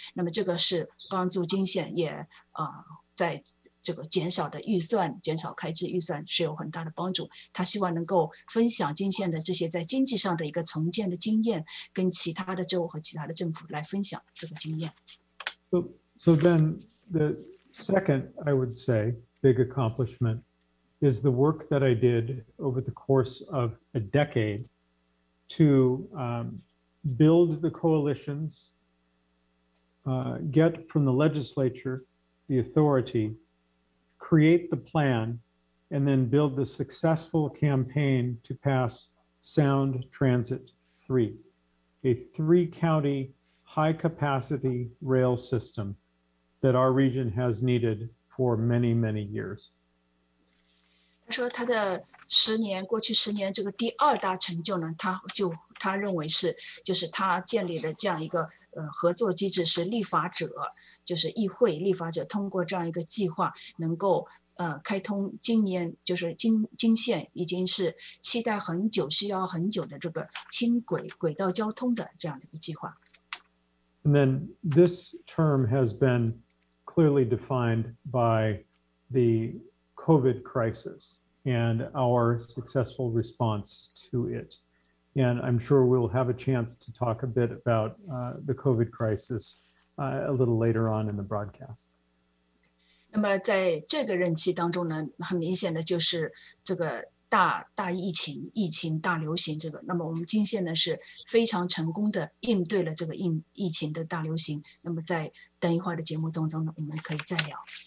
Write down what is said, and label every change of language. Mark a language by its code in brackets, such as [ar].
[zh] 那么这个是帮助金县也在这个减少的预算，减少开支预算是有很大的帮助。他希望能够分享金县的这些在经济上的一个重建的经验，跟其他的州和其他的政府来分享这个经验。 [en] So then the second, I would say, big accomplishment is the work that I did over the course of a decade to build the coalitions, get from the legislature the authority,create the plan, and then build the successful campaign to pass Sound Transit 3, a 3-county high-capacity rail system that our region has needed for many, many years. [zh] 他说他的十年，过去十年这个第二大成就呢，他认为是，就是他建立了这样一个合作机制，是立法者，就是议会立法者通过这样一个计划能够开通今年就是金县已经是期待很久需要很久的这个轻轨轨道交通的这样的一个计划。 [en] And then this term has been clearly defined by the COVID crisis and our successful response to it. And I'm sure we'll have a chance to talk a bit about the COVID crisis a little later on in the broadcast. [zh] 那么在这个任期当中呢，很明显的就是这个大疫情，疫情大流行这个。那么我们金县呢是非常成功的应对了这个疫情的大流行。那么在等一会儿的节目当中呢，我们可以再聊。